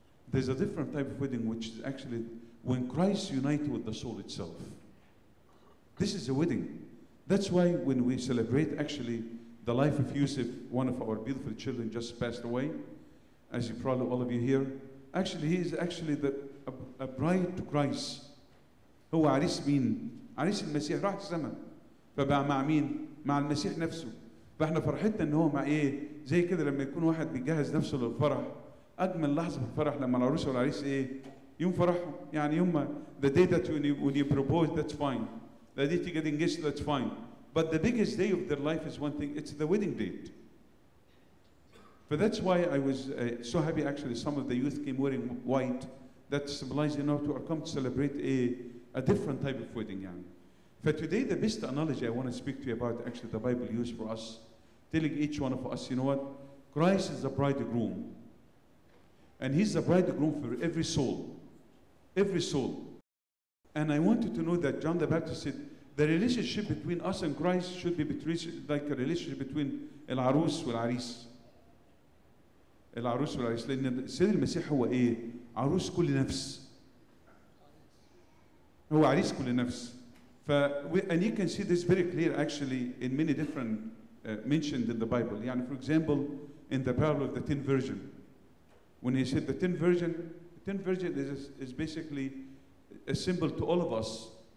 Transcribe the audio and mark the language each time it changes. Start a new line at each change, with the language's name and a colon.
English: There's a different type of wedding, which is actually when Christ unites with the soul itself. This is a wedding. That's why when we celebrate actually the life of Yusuf, one of our beautiful children just passed away, as you probably all of you here, actually he is actually a bride to Christ.
Arabic: هو عريس مين؟ عريس المسيح راح الزمن. فبقى مع مين؟ مع المسيح نفسه. فاحنا فرحتنا ان هو مع ايه؟ زي كده لما يكون واحد بيجهز نفسه للفرح. اجمل لحظة في الفرح لما العروسة والعريس ايه؟ يوم فرحهم. يعني يوم
English: the day that when you propose, that's fine. The day to get engaged, that's fine. But the biggest day of their life is one thing, it's the wedding date. But that's why I was so happy actually some of the youth came wearing white. That symbolizes, you know, to come to celebrate a different type of wedding. Yeah. For today, the best analogy I want to speak to you about, actually the Bible used for us, telling each one of us, you know what? Christ is the bridegroom. And he's the bridegroom for every soul. Every soul. And I wanted to know that John the Baptist said, the relationship between us and Christ should be like a relationship between
Arabic: العروس والعريس. العروس والعريس. لأن سيد المسيح هو إيه؟ عروس كل نفس. هو عريس كل نفس.
English: And you can see this very clear actually in many different mentioned in the Bible.
Arabic: يعني
English: for example, in the parable of the ten virgin. When he said the ten virgin is basically a symbol to all of us.